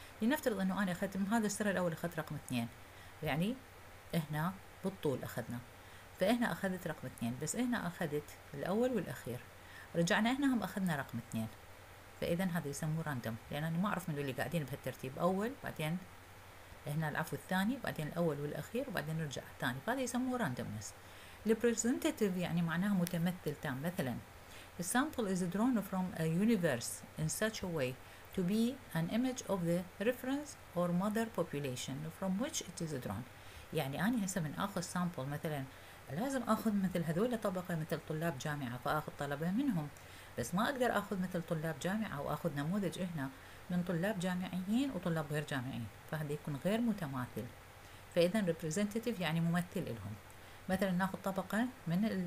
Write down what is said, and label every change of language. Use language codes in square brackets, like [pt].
[ar] لنفترض انه انا اخذت من هذا السر الاول اخذت رقم 2، يعني هنا بالطول اخذنا، فهنا اخذت رقم 2 بس هنا اخذت الاول والاخير، رجعنا هنا هم اخذنا رقم 2، فاذا هذا يسموه random لان انا ما اعرف من اللي قاعدين بهالترتيب، اول بعدين هنا العفو الثاني بعدين الاول والاخير وبعدين نرجع الثاني، فهذا يسموه randomness. representative يعني معناها متمثل تام. [en] مثلا the sample is drawn from a universe in such a way to be an image of the reference or mother population from which it is drawn. [ar] يعني انا هسه من اخذ sample مثلا لازم اخذ مثل هذول طبقة مثل طلاب جامعة فاخذ طلبة منهم، بس ما اقدر اخذ مثل طلاب جامعة او اخذ نموذج هنا من طلاب جامعيين وطلاب غير جامعيين، فهذا يكون غير متماثل. فاذا representative يعني ممثل لهم. مثلا ناخذ طبقة من